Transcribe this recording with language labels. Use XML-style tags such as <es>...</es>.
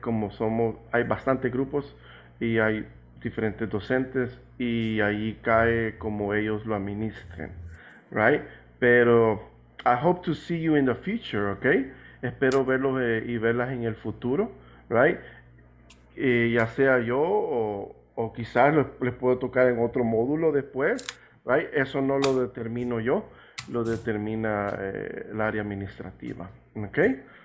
<es>Como somos, hay bastantes grupos y hay diferentes docentes y ahí cae como ellos lo administren, right?</es> <en>Pero I hope to see you in the future, okay?</en> <es>Espero verlos y verlas en el futuro, right? Ya sea yo o quizás les puedo tocar en otro módulo después, right? Eso no lo determino yo, lo determina el área administrativa, okay?</es>